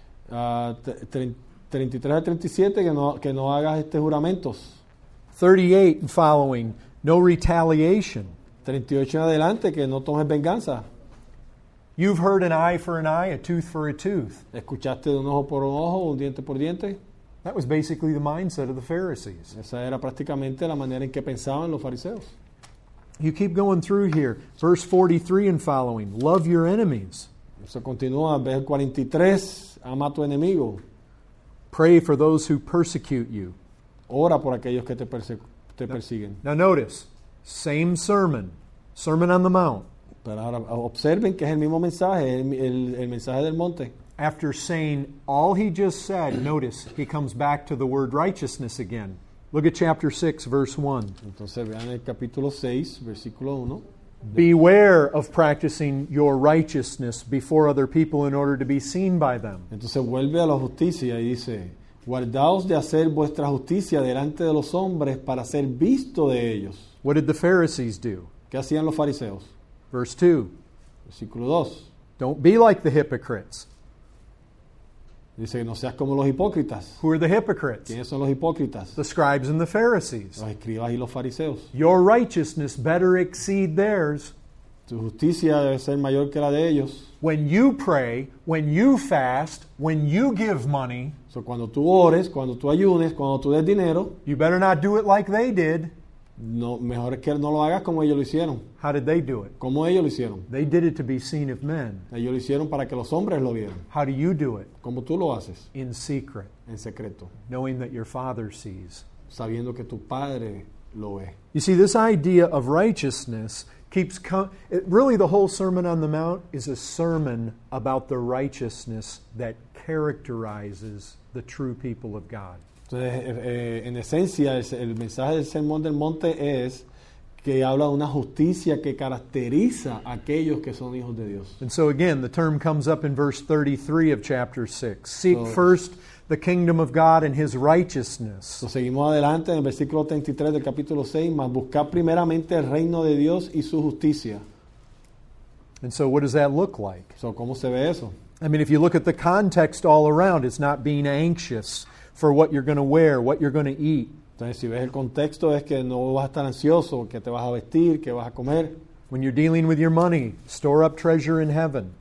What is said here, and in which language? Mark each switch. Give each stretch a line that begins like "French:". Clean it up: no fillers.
Spanish: 33-37, que no hagas juramentos.
English: 38 and following, no retaliation.
Spanish: 38 en adelante, que no tomes venganza.
English: You've heard an eye for an eye, a tooth for a tooth.
Spanish: ¿Escuchaste de un ojo por un ojo, un diente por diente?
English: That was basically the mindset of the Pharisees.
Spanish: Esa era prácticamente la manera en que pensaban los fariseos.
English: You keep going through here. Verse 43 and following. Love your enemies.
Spanish: Eso continúa. Verso 43. Ama a tu enemigo.
English: Pray for those who persecute you.
Spanish: Ora por aquellos que te persiguen.
English: Now notice. Same sermon. Sermon on the Mount.
Spanish: Pero ahora observen que es el mismo mensaje. El mensaje del monte.
English: After saying all he just said, notice he comes back to the word righteousness again. Look at chapter 6, verse 1.
Spanish: Entonces vean el capítulo 6, versículo 1.
English: Beware of practicing your righteousness before other people in order to be seen by them.
Spanish: Entonces vuelve a la justicia y dice, guardaos de hacer vuestra justicia delante de los hombres para ser visto de ellos.
English: What did the Pharisees do?
Spanish: ¿Qué hacían los fariseos?
English: Verse 2.
Spanish: Versículo 2.
English: Don't be like the hypocrites.
Spanish: Dice, no seas como los hipócritas.
English: Who are the hypocrites?
Spanish: ¿Quiénes son los hipócritas?
English: The scribes and the Pharisees.
Spanish: Los escribas y los fariseos.
English: Your righteousness better exceed theirs.
Spanish: Tu justicia debe ser mayor que la de ellos.
English: When you pray, when you fast, when you give money,
Spanish: so cuando tú ores, cuando tú ayunes, cuando tú des dinero,
English: you better not do it like they did.
Spanish: No, mejor es que no lo hagas como ellos lo hicieron.
English: How did they do it?
Spanish: ¿Cómo ellos lo hicieron?
English: They did it to be seen of men.
Spanish: Ellos lo hicieron para que los hombres lo vieran.
English: How do you do it?
Spanish: ¿Cómo tú lo haces?
English: In secret.
Spanish: En secreto.
English: Knowing that your father sees.
Spanish: Sabiendo que tu padre lo ve.
English: You see, this idea of righteousness keeps coming. Really, the whole Sermon on the Mount is a sermon about the righteousness that characterizes the true people of God.
Spanish: En esencia, el mensaje del Sermón del Monte es que habla de una justicia que caracteriza a aquellos que son hijos de Dios.
English: And so again, the term comes up in verse 33 of chapter 6. Seek first the kingdom of God and his righteousness.
Spanish: So seguimos adelante en el versículo 33 del capítulo 6, más buscar primeramente el reino de Dios y su justicia.
English: And so what does that look like?
Spanish: So ¿cómo se ve eso?
English: I mean, if you look at the context all around, it's not being anxious for what you're going to wear, what you're going to eat.
Spanish: Entonces, si ves el contexto, es que no vas a estar ansioso, que te vas a vestir, que vas a comer.
English: When you're dealing with your money, store up treasure in heaven.